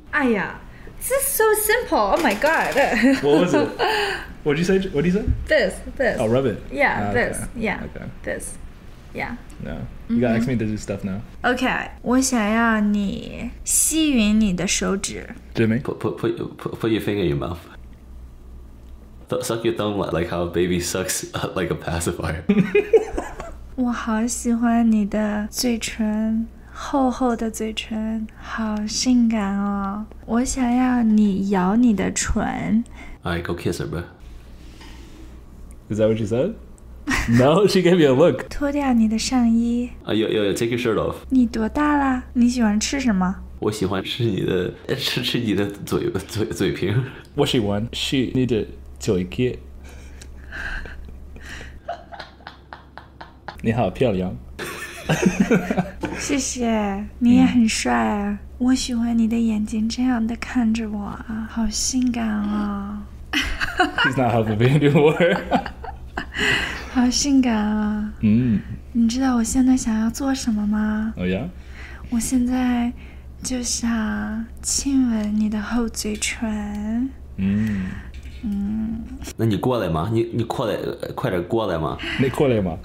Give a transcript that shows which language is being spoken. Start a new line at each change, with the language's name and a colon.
English: 哎呀, this is so simple. Oh my god. What was it? What did you say? What did you say? This. Oh, rub it. Yeah, oh, okay. This. Yeah. Okay. This. Yeah. No. You gotta ask me to do stuff now. Okay.
Chinese: 我想要你吸吮你的手指。
English: Jimmy? Put your finger in your mouth. suck your thumb like how a baby sucks like a pacifier.
Chinese: 我好喜欢你的嘴唇，厚厚的嘴唇，好性感哦。我想要你咬你的唇。
English: All right, go kiss her, bro. Is that what she said? No, she gave me a look.
Chinese: 脱掉你的上衣。
English: Yo, take your shirt off.
Chinese: 你多大了？你喜欢吃什么？我喜欢吃你的，吃你的嘴瓶。
English: What she want? She need a toy kit.
Chinese: 你好漂亮。谢谢，你也很帅啊。我喜欢你的眼睛这样的看着我啊，好性感啊。
English: He's not helping me anymore.
Chinese: 好性感啊。你知道我现在想要做什么吗？
English: Oh yeah?
Chinese: 我现在就想亲吻你的厚嘴唇。那你过来吗？你过来，快点过来吗？你过来吗？